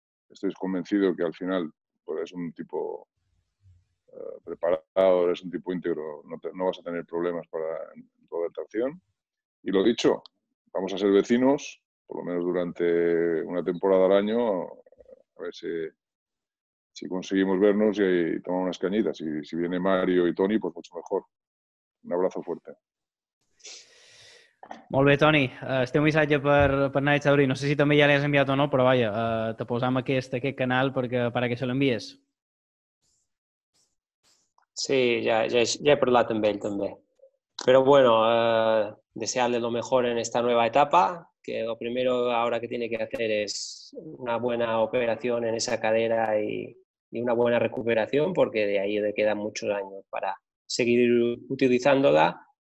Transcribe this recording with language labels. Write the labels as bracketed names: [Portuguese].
[Spanish] Estoy convencido que al final, pues eres un tipo preparado, eres un tipo íntegro, no vas a tener problemas para toda la acción. Y lo dicho, vamos a ser vecinos, por lo menos durante una temporada al año, a ver si conseguimos vernos y tomar unas cañitas. Y si viene Mario y Tony, pues mucho mejor. Un abrazo fuerte. [Catalan] Molt bé, Toni. Este missatge per anar a Xauri. No sé si també ja l'has enviat o no, però vaja, te posam aquest canal perquè se l'envies. Sí, ja he parlat amb ell també. Però bueno, desear-li [Spanish] lo mejor en esta nueva etapa, que lo primero ahora que tiene que hacer es una buena operación en esa cadera y una buena recuperación, porque de ahí le quedan muchos años para seguir utilizándola.